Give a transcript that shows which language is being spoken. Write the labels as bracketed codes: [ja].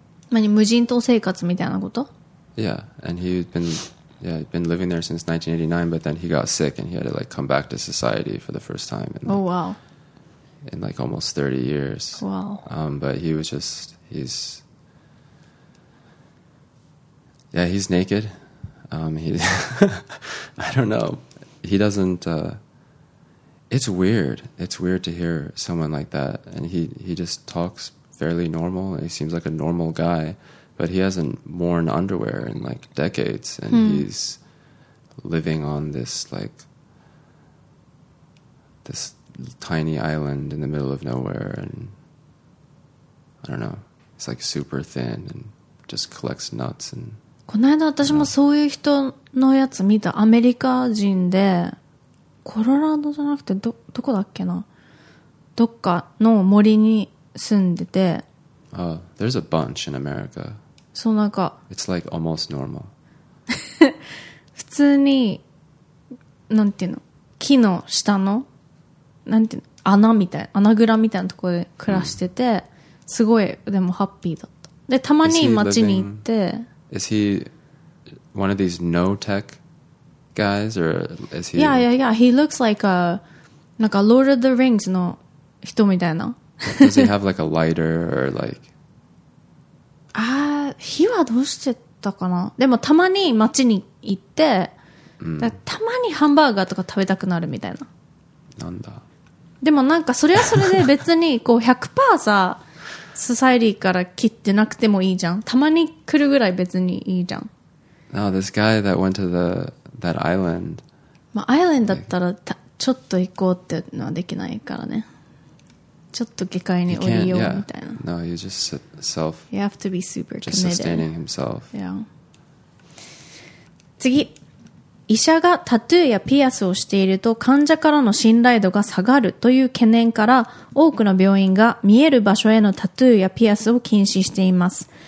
[ja] 何、無人島生活みたいなこと? [en] Yeah, and he'd been living there since 1989, but then he got sick and he had to like come back to society for the first time in, oh, wow. in like almost 30 years. Wow. But he was just, he's... Yeah, he's naked. I don't know. He doesn't... It's weird. It's weird to hear someone like that. And he just talks fairly normal. He seems like a normal guy. But he hasn't worn underwear in like decades. And he's living on this like... This tiny island in the middle of nowhere. And I don't know. It's like super thin and just collects nuts. And, [ja] この間私もそういう人のやつ見た。アメリカ人で。コロラドじゃなくて どこだっけな、どっかの森に住んでて、 [en] there's a bunch in America. [ja] そう、なんか [en] it's like almost normal. [ja] 普通になんていうの、木の下のなんていうの、穴みたいな、穴蔵みたいなところで暮らしてて、すごいでもハッピーだった。でたまに街に行って、 [en] is he one of these no techguys or is he yeah yeah yeah he looks like a like a Lord of the Rings [ja] の人みたいな。 [en] Does he have like a lighter or like [ja] he はどうしてたかな。でもたまに街に行って、たまにハンバーガーとか食べたくなるみたいな。なんだ。でもなんかそれはそれで別にこう 100% さ、ソサイティから切ってなくてもいいじゃん。たまに来るぐらい別にいいじゃん。 [en] Now this guy that went to theThat island. [ja] まあ、アイランドだったら、like, ちょっと行こうってのはできないからね。ちょっと下界に降りようみたいな。 [en] Yeah. No, you just self. You have to be super just committed. Just sustaining himself. Yeah. [ja] 次、医者がタトゥーやピアスをしていると患者からの信頼度が下がるという懸念から、多くの病院が見える場所へのタトゥーやピアスを禁止しています。